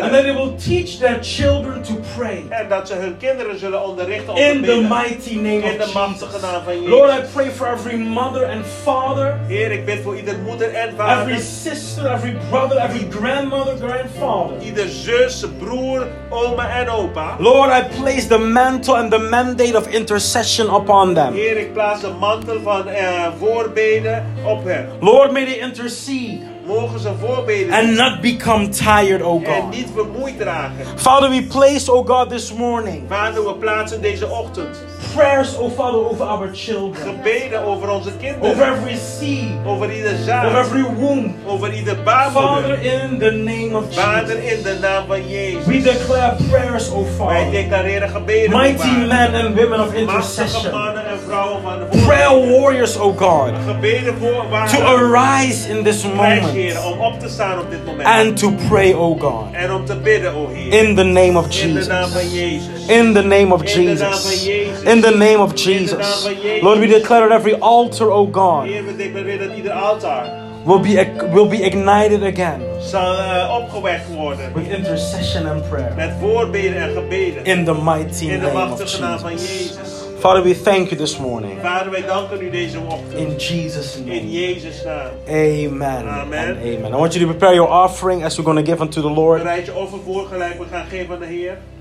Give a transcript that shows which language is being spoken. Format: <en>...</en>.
<en>And that they will teach their children to pray.</en> <nl>En dat ze hun kinderen zullen onderrichten om in te bidden.</nl> <en>The mighty name</en> <nl>in de machtige naam van Jezus.</nl> <en>Lord, I pray for every mother and father.</en> <nl>Heer, ik bid voor ieder moeder en vader.</nl> <en>Every sister, every brother, every grandmother, grandfather.</en> <nl>Ieder zus. Broer, oma en opa.</nl> <en>Lord, I place the mantle and the mandate of intercession upon them.</en> <nl>Heer, ik plaats de mantel van voorbeden op hen.</nl> <en>Lord, may they intercede.</en> <nl>Mogen ze voorbeden.</nl> <en>And not become tired, O God.</en> <nl>En niet vermoeid dragen.</nl> <en>Father, we place, O God, this morning.</en> <nl>Vader, we plaatsen deze ochtend.</nl> <en>Prayers, O Father, over our children.</en> <nl>Gebeden over onze kinderen.</nl> <en>Over every seed.</en> <nl>Over ieder zaad.</nl> <en>Over every womb.</en> <nl>Over ieder baarmoeder.</nl> <en>Father, in the name of</en> <nl>Vader,</nl> <en>Jesus.</en> <nl>Vader, in de naam van Jezus.</nl> <en>We declare prayers, O Father.</en> <nl>Wij declareren gebeden,</nl> <en>mighty men and women of intercession.</en> <nl>Mannen en vrouwen van de</nl> <en>prayer warriors, O God.</en> <nl>Gebeden voor waar.</nl> <en>To arise in this moment.</en> <nl>Om op te staan op dit moment.</nl> <en>And to pray, O God.</en> <nl>En om te bidden, O Heer.</nl> <en>In the name of Jesus.</en> <nl>In de naam van Jezus.</nl> <en>In the name of Jesus.</en> <nl>In de naam van Jezus.</nl> <en>In the name of Jesus. In the name of Jesus. Lord, we declare that every altar, O God, will be ignited again.</en> <nl>Zal opgewekt worden.</nl> <en>With intercession and prayer.</en> <nl>Met voorbeden en gebeden.</nl> <en>In the mighty</en> <nl>in de</nl> <en>name</en> <nl>machtige</nl> <en>of Jesus.</en> <nl>Naam van Jezus.</nl> <en>Father, we thank you this morning.</en> <nl>Vader, wij danken u deze ochtend.</nl> <en>In Jesus' name.</en> <nl>In Jezus naam.</nl> <en>Amen.</en> <nl>Amen.</nl> <en>And amen. I want you to prepare your offering as we're going to give unto the Lord.</en> <nl>Bereid je offer voor gelijk we gaan geven aan de Heer.</nl>